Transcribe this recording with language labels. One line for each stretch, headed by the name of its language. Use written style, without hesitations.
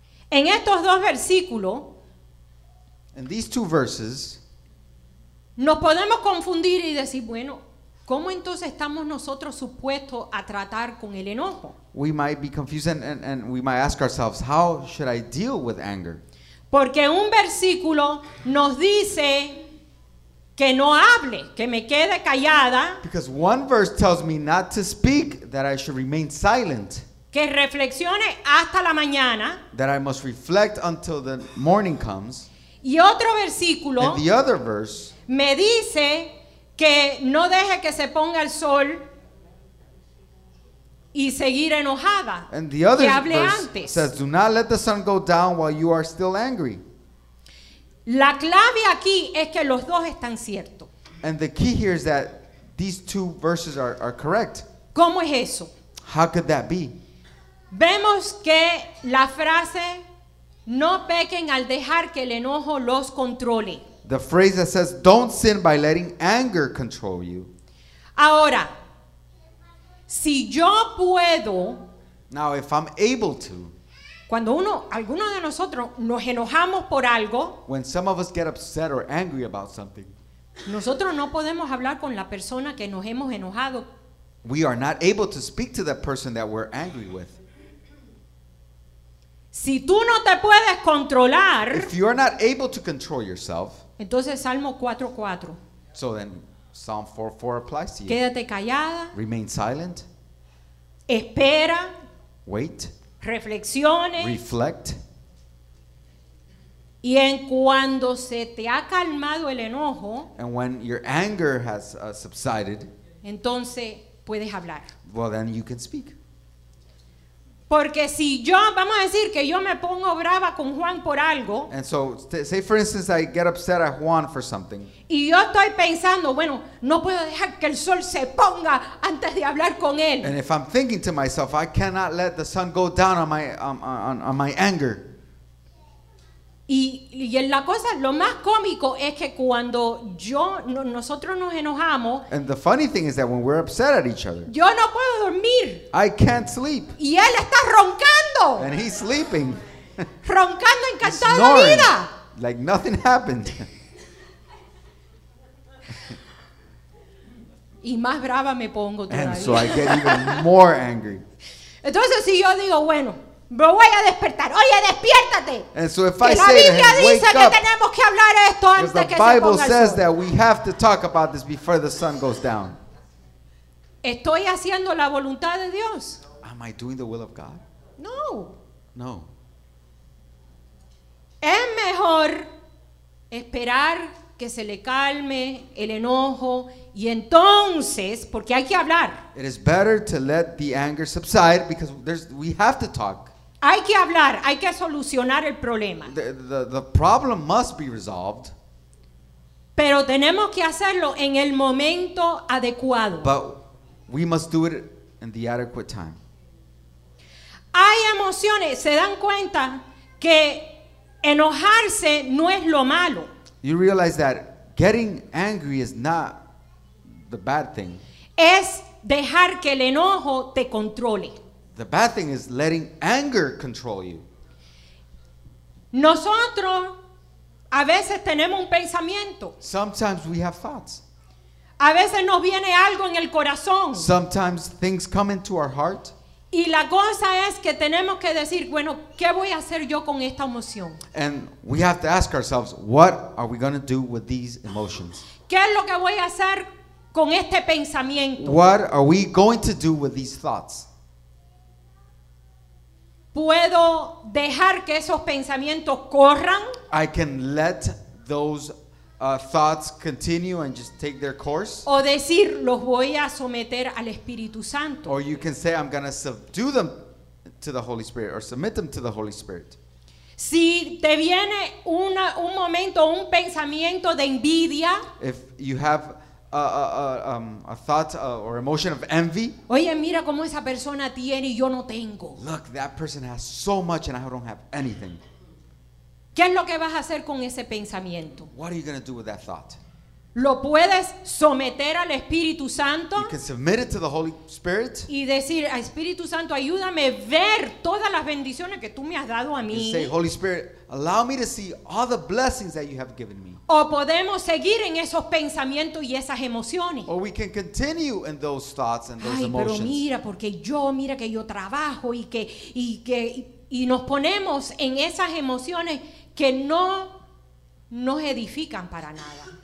Spanish: En estos dos versículos.
English: In these two verses.
Spanish: Nos podemos confundir y decir, bueno, ¿cómo entonces estamos nosotros supuestos a tratar con el enojo?
English: We might be confused and we might ask ourselves, how should I deal with anger?
Spanish: Porque un versículo nos dice que no hable, que me quede callada.
English: Because one verse tells me not to speak, that I should remain silent.
Spanish: Que reflexione hasta la mañana.
English: That I must reflect until the morning comes.
Spanish: Y otro versículo.
English: And the other verse.
Spanish: Me dice que no deje que se ponga el sol y seguir enojada.
English: And the other
Spanish: que hable
English: verse
Spanish: antes.
English: Says, do not let the sun go down while you are still angry.
Spanish: La clave aquí es que los dos están ciertos.
English: And the key here is that these two verses are correct.
Spanish: ¿Cómo es eso?
English: How could that be?
Spanish: Vemos que la frase, no pequen al dejar que el enojo los controle.
English: The phrase that says, don't sin by letting anger control you.
Spanish: Ahora, si yo puedo.
English: Now, if I'm able to.
Spanish: Cuando alguno de nosotros nos enojamos por algo,
English: when some of us get upset or angry about something,
Spanish: nosotros no podemos hablar con la persona que nos hemos enojado.
English: We are not able to speak to the person that we're angry with.
Spanish: Si tú no te puedes controlar,
English: if you are not able to control yourself,
Spanish: entonces Salmo 4:4.
English: So then Psalm 4:4 applies to you.
Spanish: Quédate callada.
English: Remain silent.
Spanish: Espera.
English: Wait.
Spanish: Reflexione.
English: Reflect.
Spanish: Y en cuando se te ha calmado el enojo,
English: and when your anger has subsided,
Spanish: entonces puedes hablar.
English: Well, then you can speak.
Spanish: Porque si yo, vamos a decir que yo me pongo brava con Juan por algo,
English: and so say for instance I get upset at Juan for something,
Spanish: y yo estoy pensando, bueno, no puedo dejar que el sol se ponga antes de hablar con él,
English: and if I'm thinking to myself I cannot let the sun go down on my anger.
Spanish: Y la cosa, lo más cómico es que cuando nosotros nos enojamos.
English: And the funny thing is that when we're upset at each other.
Spanish: Yo no puedo dormir.
English: I can't sleep.
Spanish: Y él está roncando.
English: And he's sleeping.
Spanish: Roncando en
English: he's
Spanish: cantada la vida.
English: Like nothing happened.
Spanish: Y más brava me pongo todavía.
English: And so I get even more angry.
Spanish: Entonces si yo digo, bueno. Me voy a despertar. Oye, despiértate.
English: And so if
Spanish: que
English: I say
Spanish: la Biblia
English: to him, wake
Spanish: dice
English: up,
Spanish: que tenemos que hablar esto antes que se ponga el sol.
English: The Bible says that we have to talk about this before the sun goes down.
Spanish: ¿Estoy haciendo la voluntad de Dios?
English: Am I doing the will of God?
Spanish: No.
English: No.
Spanish: Es mejor esperar que se le calme el enojo y entonces, porque hay que hablar.
English: It is better to let the anger subside because we have to talk.
Spanish: Hay que hablar, hay que solucionar el problema.
English: The problem must be resolved.
Spanish: Pero tenemos que hacerlo en el momento adecuado.
English: But we must do it in the adequate time.
Spanish: Hay emociones, se dan cuenta que enojarse no es lo malo.
English: You realize that getting angry is not the bad thing.
Spanish: Es dejar que el enojo te controle.
English: The bad thing is letting anger control you.
Spanish: Nosotros a veces tenemos un pensamiento.
English: Sometimes we have thoughts.
Spanish: A veces nos viene algo en el corazón.
English: Sometimes things come into our heart.
Spanish: Y la cosa es que tenemos que decir, bueno, ¿qué voy a hacer yo con esta emoción?
English: And we have to ask ourselves, what are we going to do with these emotions?
Spanish: ¿Qué es lo que voy a hacer con este pensamiento?
English: What are we going to do with these thoughts?
Spanish: ¿Puedo dejar que esos pensamientos corran?
English: I can let those thoughts continue and just take their course.
Spanish: O decir, los voy a someter al Espíritu Santo.
English: Or you can say, I'm going to subdue them to the Holy Spirit, or submit them to the Holy Spirit.
Spanish: Si te viene un momento, un pensamiento de envidia.
English: If you have a thought or emotion of envy.
Spanish: Oye, mira cómo esa persona tiene y yo no tengo.
English: Look, that person has so much and I don't have anything.
Spanish: ¿Qué es lo que vas a hacer con ese pensamiento?
English: What are you going to do with that thought?
Spanish: ¿Lo puedes someter al Espíritu Santo?
English: You can submit it to the Holy Spirit.
Spanish: Y decir, Espíritu Santo, ayúdame a ver todas las bendiciones que tú me has dado a mí.
English: You say, Holy Spirit, allow me to see all the blessings that you have given me.
Spanish: O podemos seguir en esos pensamientos y esas emociones.
English: Or we can continue in those thoughts and those Ay, emotions.
Spanish: Pero mira, porque yo, mira que yo trabajo y nos ponemos en esas emociones que no nos edifican para nada.